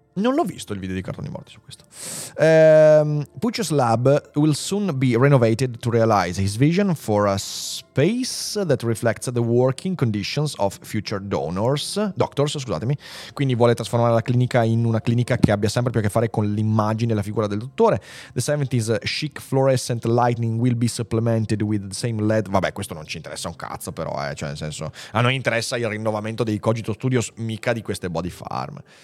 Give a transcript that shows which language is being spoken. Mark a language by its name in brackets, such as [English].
[Italian] Non l'ho visto il video di Cartoni Morti su questo. [English] Pucci's lab will soon be renovated to realize his vision for a space that reflects the working conditions of future doctors. [Italian] Quindi vuole trasformare la clinica in una clinica che abbia sempre più a che fare con l'immagine e la figura del dottore. [English] The 70s chic fluorescent lighting will be supplemented with the same LED. [Italian] Vabbè, questo non ci interessa un cazzo però, cioè nel senso, a noi interessa il rinnovamento dei Cogito Studios, mica di queste body farm.